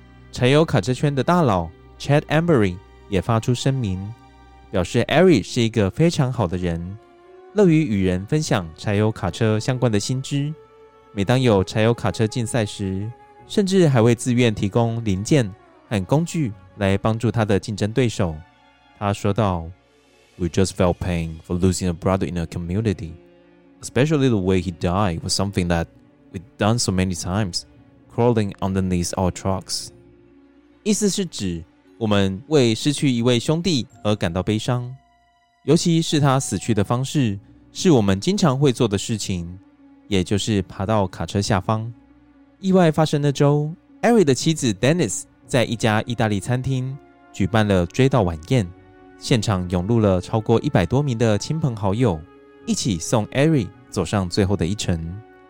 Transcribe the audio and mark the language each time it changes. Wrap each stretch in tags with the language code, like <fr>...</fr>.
<zh>柴油卡车圈的大佬 Chad Embury 也发出声明，表示 Ari 是一个非常好的人，乐于与人分享柴油卡车相关的薪资，每当有柴油卡车竞赛时，甚至还会自愿提供零件和工具来帮助他的竞争对手。</zh> <en>他说道， We just felt pain for losing a brother in our community, especially the way he died was something that we'd done so many times, crawling underneath our trucks.</en> <zh>意思是指我们为失去一位兄弟而感到悲伤，尤其是他死去的方式是我们经常会做的事情，也就是爬到卡车下方。意外发生的周， Ari 的妻子 Dennis 在一家意大利餐厅举办了追悼晚宴，现场涌入了超过100多名的亲朋好友，一起送 Ari 走上最后的一程。</zh>